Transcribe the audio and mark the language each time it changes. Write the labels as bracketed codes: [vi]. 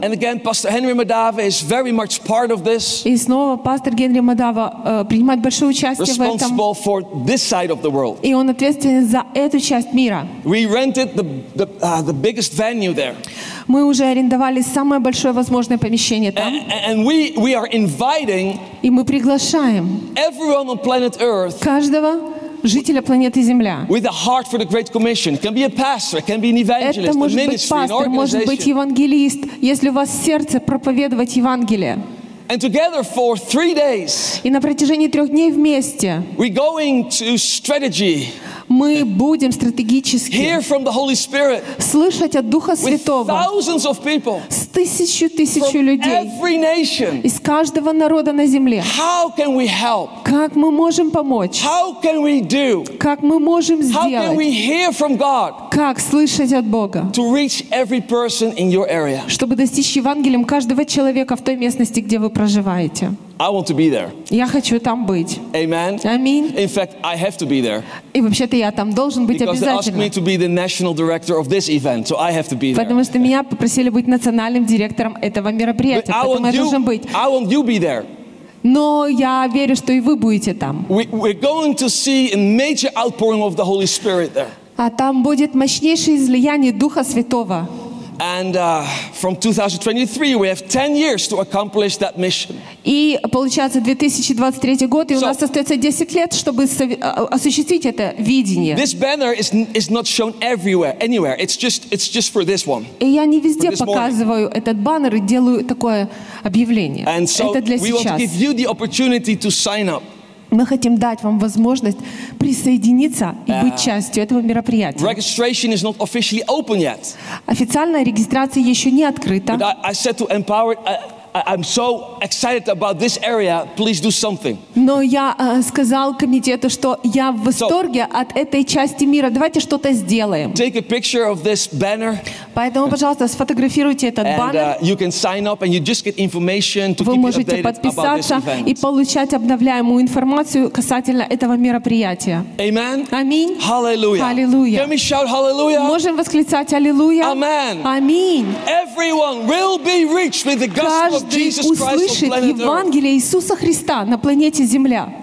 [en] And again, Pastor Henry Madava is very much part of this. [ru] И снова пастор Генри Мадава принимает большое участие в этом. [en] Responsible for this side of the world. [ru] И он ответственен за эту часть мира. [en] We rented the biggest venue there. [ru] Мы уже арендовали самое большое возможное помещение там. [en] And we are inviting. [ru] И мы приглашаем. [en] Everyone on planet Earth. [ru] Каждого. Жителя планеты Земля. [en] With a heart for the Great Commission, can be a pastor, can be an evangelist, [ru] Это может быть пастор, может быть евангелист, если у вас сердце проповедовать Евангелие. [en] And together for 3 days. [ru] И на протяжении 3 дней вместе. [en] We going to strategy. [ru] Мы будем стратегически. [en] Hear from the Holy Spirit. [ru] Слышать от Духа Святого. [en] With thousands of people. [ru] С тысячу людей. [en] From every nation. [ru] Из каждого народа на земле. [en] How can we help? [ru] Как мы можем помочь? [en] How can we do? [ru] Как мы можем сделать? [en] How can we hear from God? [ru] Как слышать от Бога? [en] To reach every person in your area. [ru] Чтобы достичь Евангелием каждого человека в той местности, где вы проживаете. [en] I want to be there. [ru] Я хочу там быть. [en] Amen. [ru] Аминь. [en] In fact, I have to be there. [ru] И вообще-то я там должен быть обязательно. [en] Because they asked me to be the national director of this event, so I have to be there. [ru] Потому что меня попросили быть национальным директором этого мероприятия, поэтому я должен быть. [en] I want you to be there. [ru] Но я верю, что и вы будете там. [en] We're going to see a major outpouring of the Holy Spirit there. [ru] А там будет мощнейшее излияние Духа Святого. [en] And from 2023, we have 10 years to accomplish that mission. [ru] И получается 2023 год, и у нас остается 10 лет, чтобы осуществить это видение. [en] This banner is not shown everywhere, anywhere. It's just for this one. [ru] И я не везде показываю этот баннер и делаю такое объявление. [en] And so [ru] это для [en] we [ru] сейчас. [en] Want to give you the opportunity to sign up. [ru] Мы хотим дать вам возможность присоединиться и быть частью этого мероприятия. [en] Registration is not officially open yet. [ru] Официальная регистрация еще не открыта. [en] But I said to Empower, I'm so excited about this area. Please do something. [ru] Но я сказал комитету, что я в восторге от этой части мира. Давайте что-то сделаем. [en] Take a picture of this banner. [ru] Поэтому, пожалуйста, сфотографируйте этот баннер. [en] And you can sign up, and you just get information to [ru] Вы можете подписаться и получать обновляемую информацию касательно этого мероприятия. [en] Amen. [ru] Аминь. [en] Hallelujah. Hallelujah. Can we shout hallelujah? [ru] Можем восклицать аллилуйя. [en] Amen. [ru] Аминь. [en] Everyone will be reached with the gospel. [ru] Каждый услышит Евангелие Иисуса Христа на планете Земля.